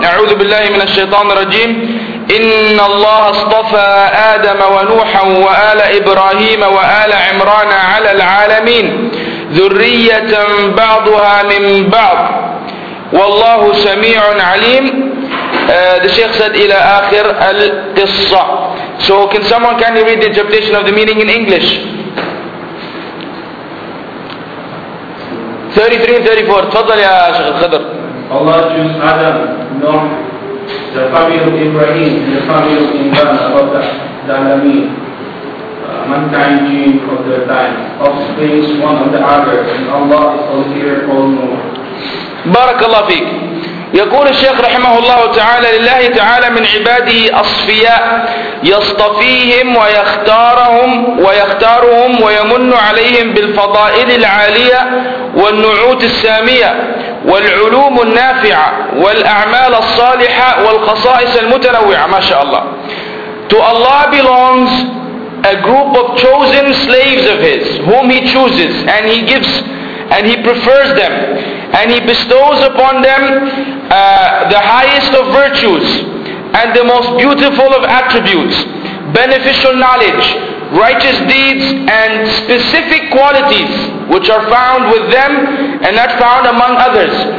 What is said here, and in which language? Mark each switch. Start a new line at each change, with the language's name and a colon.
Arabic: نعوذ بالله من الشيطان الرجيم. إن الله اصطفى آدم ونوحا وآل إبراهيم وآل عمران على العالمين ذرية بعضها من بعض والله سميع عليم.
English: The Sheikh said
Arabic: إلى آخر القصة.
English: So can someone kindly read the interpretation of the meaning in English? 33 and 34.
Arabic: تفضل يا شيخ الخضر.
English: Allah chose Adam, Noah, the family of Ibrahim and the family of Imran about the Alameen, mankind gene of their time, offsprings one of the other, and Allah is all here, all known.
Arabic: بارك الله فيك. يقول الشيخ رحمه الله تعالى: لله تعالى من عباده أصفياء يصطفيهم ويختارهم ويختارهم ويمن عليهم بالفضائل العالية والنعوت السامية والعلوم النافعة والأعمال الصالحة والخصائص المتنوعة. ما شاء الله.
English: To Allah belongs a group of chosen slaves of His whom He chooses and He gives and He prefers them and He bestows upon them the highest of virtues and the most beautiful of attributes, beneficial knowledge, righteous deeds, and specific qualities which are found with them and not found among others.